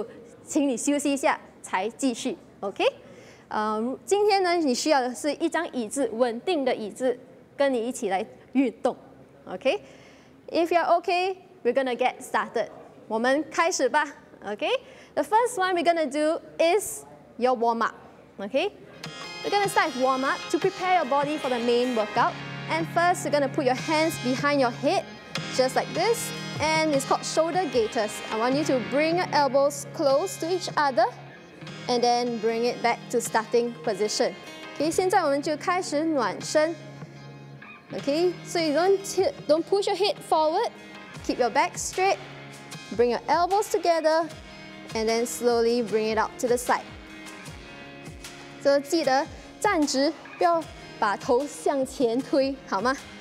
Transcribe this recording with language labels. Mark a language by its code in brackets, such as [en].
[zh] 这些运动呢会适合年长人，如果等一下你感觉不舒服或不适的话，就请你休息一下才继续， okay? 今天呢你需要的是一张椅子，稳定的椅子，跟你一起来运动， okay? [en] If you're okay, we're gonna get started. [zh] 我们开始吧, [en] okay? The first one we're gonna do is your warm up, okay? We're gonna start with warm up to prepare your body for the main workout. And first, you're gonna put your hands behind your head, just like this. And it's called shoulder gators. I want you to bring your elbows close to each other and then bring it back to starting position. [zh] Okay, 现在我们就开始暖身, okay? [en] So you don't push your head forward, keep your back straight. Bring your elbows together, and then slowly bring it out to the side. [zh] So 记得站直，不要把头向前推，好吗？